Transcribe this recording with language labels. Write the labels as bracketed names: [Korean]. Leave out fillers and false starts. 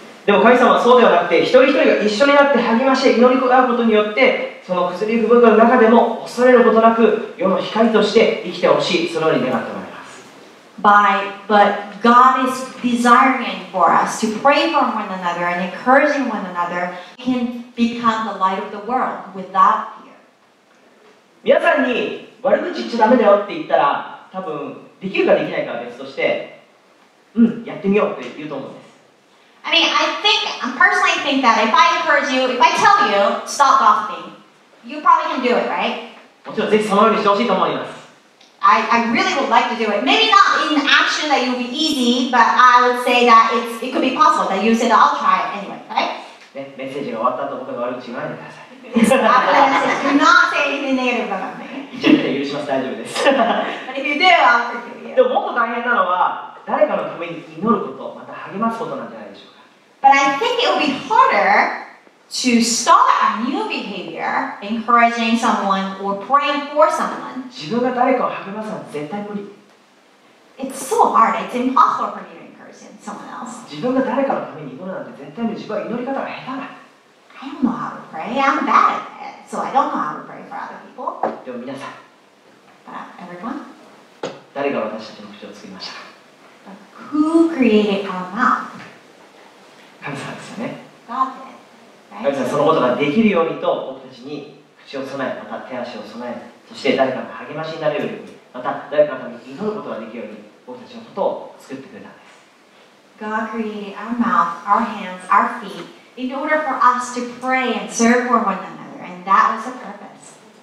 [English] But God is desiring for us to pray for one another and encouraging one another can become the light of the world without fear. [Japanese] 皆さんに悪口言っちゃダメだよって言ったら多分できるかできないかは別としてうん、やってみようって言うと思うんです。 [English] I mean, I think, I personally think that if I encourage you, if I tell you, stop gossiping, you probably can do it, right? [Japanese] もちろんぜひそのようにしてほしいと思います。 [English] I really would like to do it. Maybe not in action that it would be easy, but I would say that it could be possible that you said I'll try it anyway, right? [Japanese] メッセージが終わった後僕が悪口言わないでください。 [English] Stop the message. Do not say anything negative about me. [Japanese] 許します、大丈夫です。 [English] But if you do, I'll forgive you. [Japanese] でももっと大変なのは、誰かのために祈ること、また励ますことなんじゃないでしょうか。 [English] But I think it would be harder to start a new behavior, encouraging someone or praying for someone. [Japanese] 自分が誰かを励ますのは絶対無理。 [English] It's so hard, it's impossible for you to encourage someone else. [Japanese] 自分が誰かのために祈るなんて絶対無理。自分は祈り方が下手だ。 [English] I don't know how to pray, I'm bad at it, so I don't know how to pray for other people. [Japanese] でも皆さん、 [English] everyone? [Japanese] 誰が私たちの口を作りましたか [English] Who created our mouth? [Japanese] 神様ですよね。 [English] God did, right? [Japanese] 神様そのことができるようにと、僕たちに口を備え、また手足を備え、そして誰かの励ましになれるように、また誰かのために祈ることができるように、僕たちのことを作ってくれたんです。 [English] God created our mouth, our hands, our feet. In order for us to pray and serve for one another, and that was the purpose.